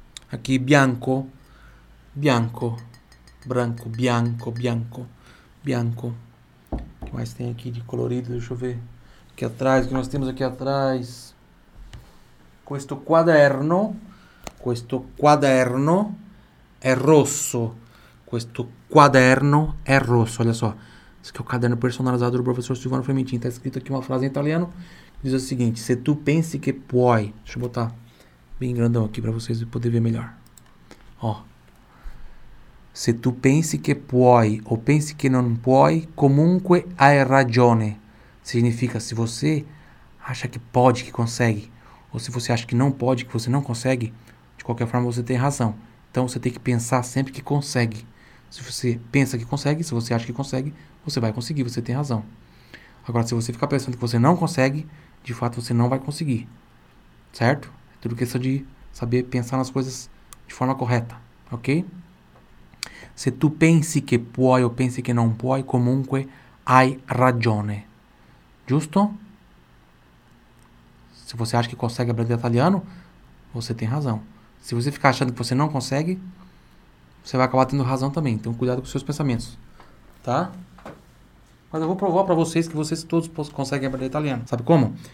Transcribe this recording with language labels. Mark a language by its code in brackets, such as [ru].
[it] Aqui bianco, bianco, branco, bianco, bianco, bianco. [pt] Che mais tem aqui di colorido? Deixa eu ver. Aqui atrás, o que nós temos aqui atrás? [it] Questo quaderno. Questo quaderno è rosso. Questo quaderno è rosso. [pt] Olha só. Isso aqui é o caderno personalizado do professor Silvano Fermentin. Está escrito aqui uma frase em italiano. Diz o seguinte: [it] Se tu pensi che puoi. [pt] Deixa eu botar bem grandão aqui para vocês poderem ver melhor. Ó. [it] Se tu pensi che puoi o pensi che non puoi, comunque hai ragione. [pt] Significa se você acha que pode, que consegue, ou se você acha que não pode, que você não consegue, de qualquer forma você tem razão. Então você tem que pensar sempre que consegue. Se você pensa que consegue, se você acha que consegue, você vai conseguir, você tem razão. Agora, se você ficar pensando que você não consegue, de fato você não vai conseguir. Certo? É tudo questão de saber pensar nas coisas de forma correta, ok? [it] Se tu pensi che puoi o pensi che non puoi, comunque hai ragione. Giusto? [pt] Se você acha que consegue aprender italiano, você tem razão. Se você ficar achando que você não consegue, você vai acabar tendo razão também. Então cuidado com seus pensamentos, tá? Mas eu vou provar para vocês que vocês todos conseguem aprender italiano. Sabe como?